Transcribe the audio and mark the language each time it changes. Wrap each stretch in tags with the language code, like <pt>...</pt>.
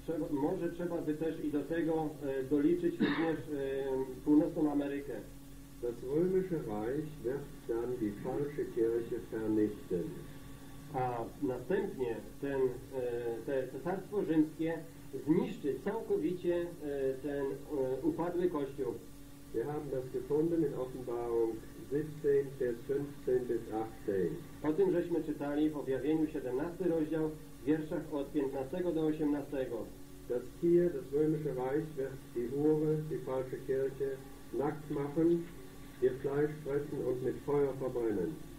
<pl>Może trzeba by też i do tego doliczyć również północną Amerykę.</pl> <de>Das römische Reich wird dann die falsche Kirche vernichten.</de> <pl>A następnie to cesarstwo rzymskie zniszczy całkowicie ten upadły kościół.</pl> <de>Wir haben das gefunden in Offenbarung 17, Vers 15 bis 18.</de> <pl>O tym żeśmy czytali w Objawieniu 17 rozdział, w wierszach od 15 do 18.</pl> <de>Das Tier, das römische Reich, wird die Hure, die falsche Kirche, nackt machen, ihr Fleisch fressen und mit Feuer verbrennen.</de>